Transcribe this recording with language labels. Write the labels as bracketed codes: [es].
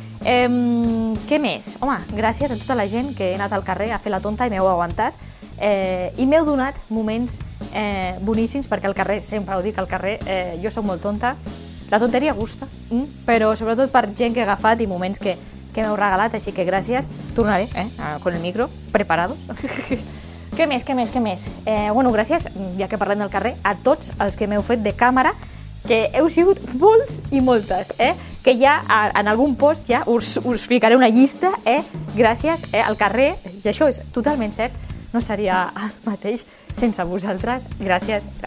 [ca] Què més? Home, gràcies a tota la gent que he anat al carrer a fer la tonta i m'heu aguantat, i m'heu donat moments boníssims, perquè al carrer, sempre ho dic, al carrer, jo soc molt tonta, la tonteria gusta, però sobretot per gent que he agafat i moments que m'heu regalat, així que gràcies. Tornaré, [es] con el micro, preparados. [ca] Què més? Bueno, gràcies, ja que parlem del carrer, a tots els que m'heu fet de càmera, que heu sigut molts i moltes, que ja en algun post ja us ficaré una llista, gràcies, al carrer, i això és totalment cert, no seria el mateix sense vosaltres, gràcies.